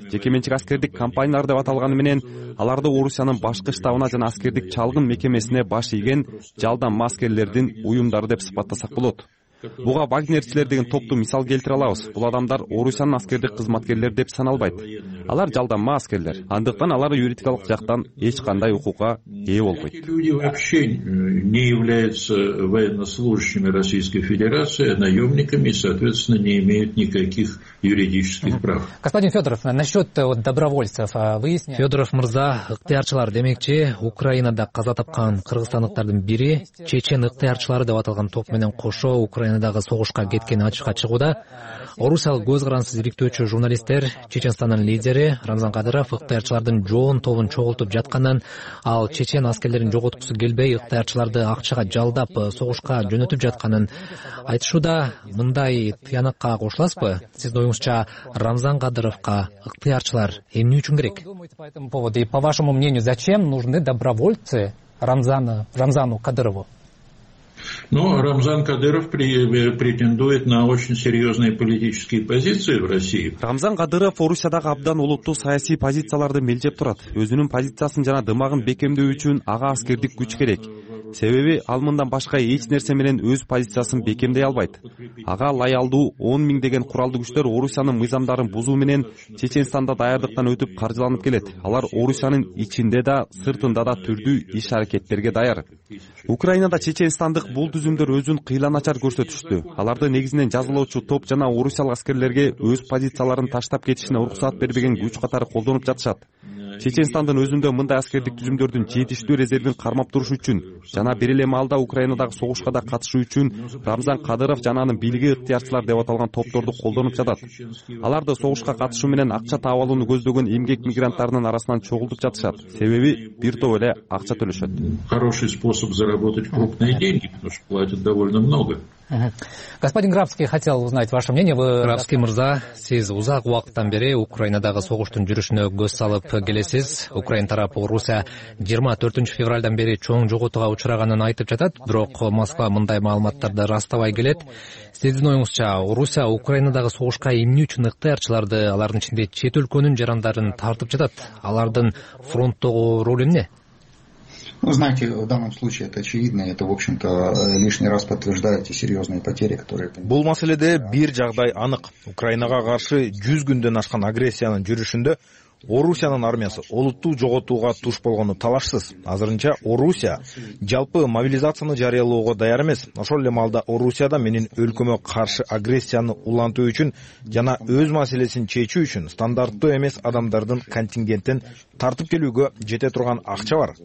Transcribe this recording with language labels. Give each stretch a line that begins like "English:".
Kyrgyz: Жеке менчик аскердик компаниялар деп аталганы менен аларды Орусиянын башкы штабына жана аскердик чалгын мекемесине баш ийген жалдама аскерлердин уюмдары деп сыпаттасак болот. Буга вагнерчилер деген топту мисал келтире алабыз. Бул адамдар Орусиянын аскердик кызматкерлери деп саналбайт. Алар жалдама аскерлер. Андыктан алар юридикалык жактан эч кандай укукка ээ болбойт.
Russian: Люди вообще не являются военнослужащими Российской Федерации, наемниками, соответственно, не имеют никаких юридических прав. Господин Федоров, насчет добровольцев выясняем.
Kyrgyz: Федоров мырза, ыктыярчылар демекчи, Украинада каза тапкан кыргызстандыктардын бири чечен ыктыярчылары деп аталган топ менен кошо Украина Украинадагы согушка кеткени ачыкка чыгууда. Орусиялык көз карансыз иликтөөчү журналисттер Чечестандын лидери Рамзан Кадыров ыктыярчылардын жоон тобун чогултуп жатканын, ал чечен аскерлерин жоготкусу келбей ыктыярчыларды акчага жалдап согушка жөнөтүп жатканын айтышууда. Мындай тыянакка кошуласызбы? Сиздин оюңузча Рамзан Кадыровко ыктыярчылар эмне үчүн керек?
Russian: По вашему мнению, зачем нужны добровольцы Рамзану Кадырову? Но Рамзан Кадыров претендует на очень серьезные политические позиции в России.
Kyrgyz: Рамзан Кадыров Орусиядагы абдан олуттуу саясий позицияларды мелдеп турат. Өзүнүн позициясын жана дымагын бекемдөө үчүн ага аскердик күч керек. Себеби ал мындан башка эч нерсе менен өз позициясын бекемдей албайт. Ага лаялдуу 10,000 деген куралдуу күчтөр Орусиянын мыйзамдарын бузуу менен Чеченстанда даярдыктан өтүп каржыланып келет. Алар Орусиянын ичинде да, сыртында да түрдүү иш аракеттерге даяр. Украинада чечестандык бул түзүмдөр өзүн кыйланачар көрсөтүштү. Аларды негизинен жазалоочу топ жана орусиялык аскерлерге өз позицияларын таштап кетишине уруксат бербеген күч катары колдонуп жатышат. Чечестандын өзүндө мындай аскердик түзүмдөрдүн жетиштүү резервин кармап туруш үчүн жана бир эле маалда Украинадагы согушка да катышуу үчүн Рамзан Кадыров жана анын бийлиги ыктыярчылар деп аталган топторду колдонуп жатат. Аларды согушка катышуу менен акча таап алууну көздөгөн эмгек мигранттарынын арасынан чогултуп жатышат. Себеби бир топ эле акча төлөшөт.
Russian: Хороший способ заработать крупные деньги, потому что платят довольно много. Господин Графский, хотел узнать ваше мнение. Вы...
Kyrgyz: Графский мырза, сиз узак убакыттан бери Украинадагы согуштун жүрүшүнө көз салып келесиз. Украина тарапы Орусия 24 февралдан бери чоң жоготууга учураганын айтып жатат, бирок Москва мындай маалыматтарды ырастабай келет. Сиздин оюңузча Орусия Украинадагы согушка эмне үчүн ыктыярчыларды, алардын ичинде чет өлкөнүн жарандарын тартып жатат? Алардын фронттогу ролу эмне?
Russian: Ну, знаете, в данном случае это очевидно, это, в общем-то, лишний раз подтверждает те серьезные потери, которые...
Kyrgyz: Бул маселеде бир жагдай анык. Украинага каршы 100 күндөн ашкан агрессиянын жүрүшүндө Орусиянын армиясы олуттуу жоготууга туш болгону талашсыз. Азырынча Орусия жалпы мобилизацияны жарыялоого даяр эмес. Ошол эле маалда Орусияда менин өлкөмө каршы агрессияны улантуу үчүн жана өз маселесин чечүү үчүн стандарттуу эмес адамдардын контингентин тартып келүүгө жете турган акча бар.